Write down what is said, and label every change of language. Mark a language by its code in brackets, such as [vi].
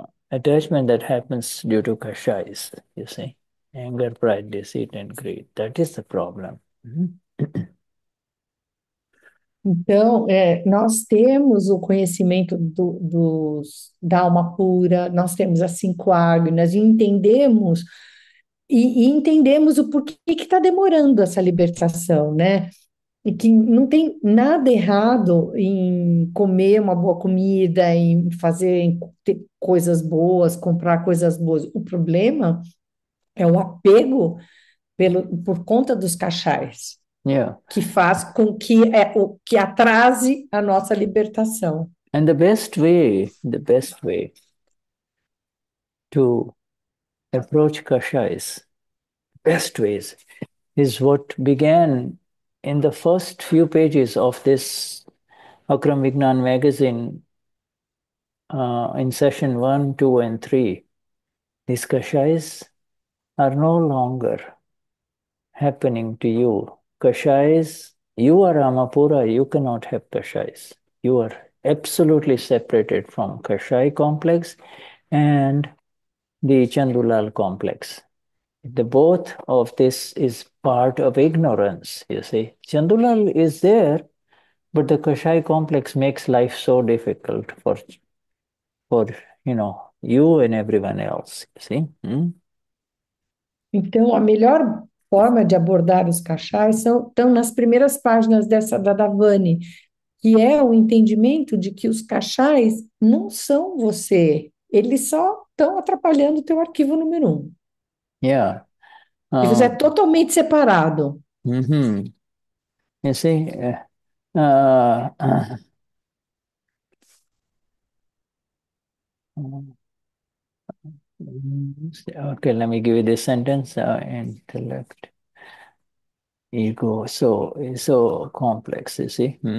[en] Attachment that happens due to kashais, you see, anger, pride, deceit, and greed. That is the problem. [pt] Então, nós temos o conhecimento da alma pura, nós temos as cinco agnas, e entendemos o porquê que está demorando essa libertação, né? E que não tem nada errado em comer uma boa comida, em ter coisas boas, comprar coisas boas. O problema é o apego por conta dos cachais. Que faz com que é o que atrase a nossa libertação. [en] And the best way to approach kashas, best ways, is what began in the first few pages of this Akram Vignan magazine, in session 1, 2, and 3. These kashas are no longer happening to you. Kashais, you are Amapura, you cannot have kashais. You are absolutely separated from kashai complex and the Chandulal complex. The both of this is part of ignorance, you see. Chandulal is there, but the kashai complex makes life so difficult for you and everyone else, you see. [pt] Então, a melhor forma de abordar os cachais estão nas primeiras páginas dessa Dadavani, que é o entendimento de que os cachais não são você, eles só estão atrapalhando o teu arquivo número 1. E você é totalmente separado. [en] You see, okay, let me give you this sentence. Intellect, ego, so complex, you see.